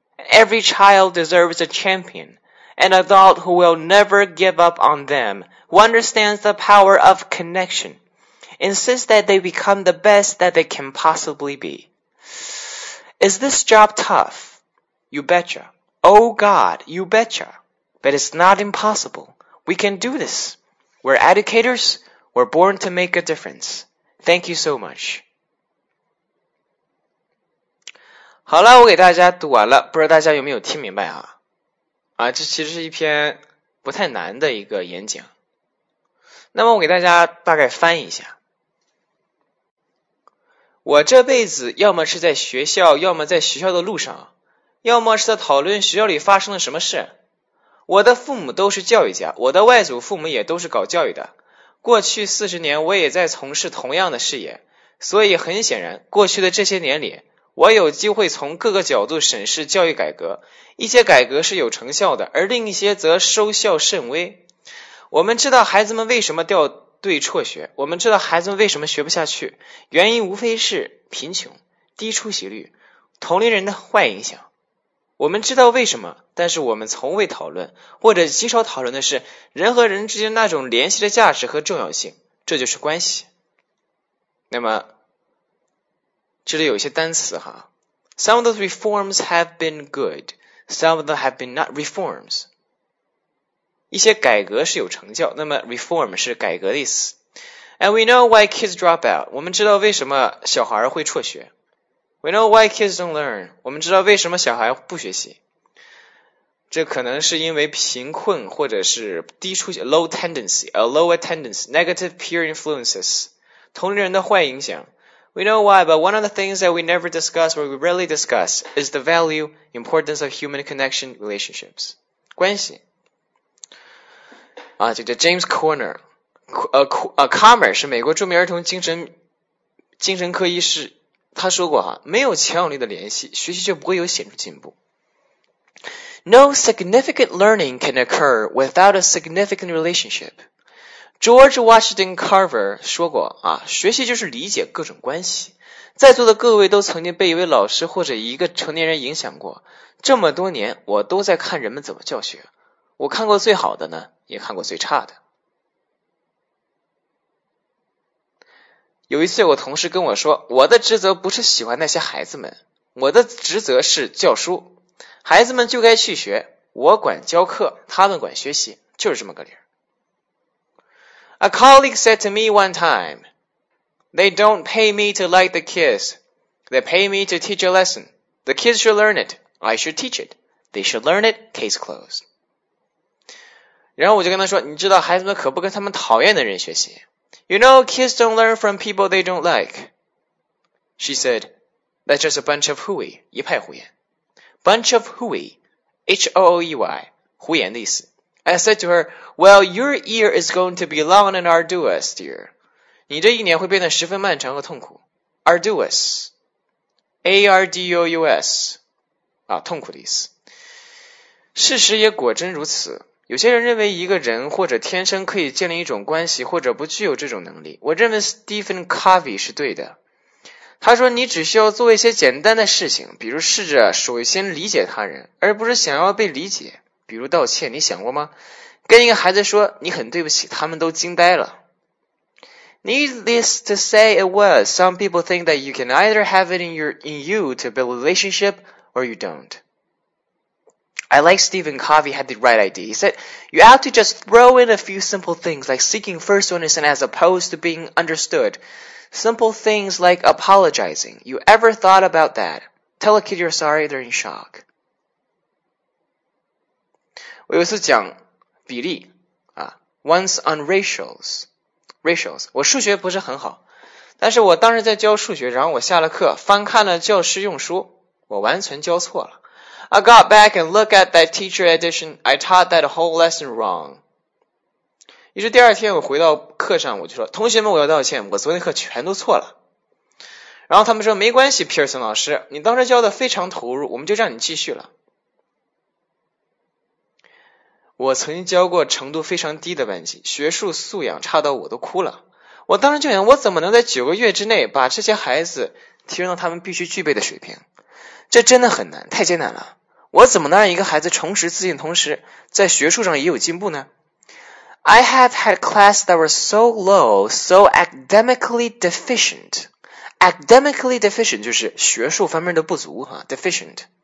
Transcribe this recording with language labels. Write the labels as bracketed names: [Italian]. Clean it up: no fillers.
[English] Every child deserves a champion, an adult who will never give up on them, who understands the power of connection, insists that they become the best that they can possibly be. Is this job tough? You betcha. Oh God, you betcha. But it's not impossible. We can do this. We're educators. We're born to make a difference. Thank you so much. [Chinese] 好了，我给大家读完了，不知道大家有没有听明白啊？啊，这其实是一篇不太难的一个演讲。那么我给大家大概翻译一下。我这辈子要么是在学校，要么在学校的路上，要么是在讨论学校里发生了什么事。我的父母都是教育家，我的外祖父母也都是搞教育的。过去40年，我也在从事同样的事业，所以很显然，过去的这些年里，我有机会从各个角度审视教育改革。一些改革是有成效的，而另一些则收效甚微。我们知道孩子们为什么掉队辍学，我们知道孩子们为什么学不下去，原因无非是贫穷、低出席率、同龄人的坏影响。我们知道为什么，但是我们从未讨论，或者极少讨论的是人和人之间那种联系的价值和重要性，这就是关系。那么这里有一些单词哈， [English] Some of those reforms have been good, some of them have been not reforms. [Chinese] 一些改革是有成效，那么 reform 是改革的意思。 [English] And we know why kids drop out. [Chinese] 我们知道为什么小孩会辍学。 [English] We know why kids don't learn. [Chinese] 我们知道为什么小孩不学习。这可能是因为贫困或者是低出席 [English] low tendency, a low attendance, negative peer influences, [Chinese] 同龄人的坏影响。 [English] We know why, but one of the things that we never discuss or we rarely discuss is the value, importance of human connection relationships. [Chinese] 关系。啊，这叫 James Corner. Comer 是美国著名儿童精神科医师。他说过哈，没有强有力的联系，学习就不会有显著进步。 [English] No significant learning can occur without a significant relationship. [Chinese] George Washington Carver 说过啊，学习就是理解各种关系。在座的各位都曾经被一位老师或者一个成年人影响过。这么多年，我都在看人们怎么教学。我看过最好的呢，也看过最差的。有一次有个同事跟我说，我的职责不是喜欢那些孩子们，我的职责是教书，孩子们就该去学，我管教课，他们管学习，就是这么个理儿。 [English] A colleague said to me one time, They don't pay me to like the kids, They pay me to teach a lesson, The kids should learn it, I should teach it, They should learn it, case closed. [Chinese] 然后我就跟他说，你知道孩子们可不跟他们讨厌的人学习。 [English] You know, kids don't learn from people they don't like. She said, that's just a bunch of hooey, [Chinese] 一派胡言。 [English] Bunch of hooey, H-O-O-E-Y, [Chinese] 胡言的意思。 [English] I said to her, well, your year is going to be long and arduous, dear. [Chinese] 你这一年会变得十分漫长和痛苦。Arduous, A-R-D-O-U-S, 啊，痛苦的意思。事实也果真如此。有些人认为一个人或者天生可以建立一种关系或者不具有这种能力。我认为 Stephen Covey 是对的。他说你只需要做一些简单的事情，比如试着首先理解他人，而不是想要被理解。比如道歉，你想过吗？跟一个孩子说你很对不起，他们都惊呆了。 [English] Needless to say it was, some people think that you can either have it in you to build a relationship or you don't. I like Stephen Covey had the right idea. He said, you have to just throw in a few simple things like seeking first understanding as opposed to being understood. Simple things like apologizing. You ever thought about that? Tell a kid you're sorry, they're in shock. [Chinese] 我有一次讲比例啊 [English] once on racials. [Chinese] 我数学不是很好，但是我当时在教数学，然后我下了课翻看了教师用书，我完全教错了。 [English] I got back and look at that teacher edition. I taught that whole lesson wrong. [Chinese] 于是第二天我回到课上，我就说，同学们，我要道歉，我昨天课全都错了。然后他们说，没关系，皮尔森老师，你当时教的非常投入，我们就让你继续了。我曾经教过程度非常低的班级，学术素养差到我都哭了。我当时就想，我怎么能在九个月之内把这些孩子提升到他们必须具备的水平？这真的很难，太艰难了。我怎么能让一个孩子重拾自信，同时在学术上也有进步呢？ [English] I have had class that were so low, so academically deficient. Academically deficient [Chinese] 就是学术方面的不足啊 deficient.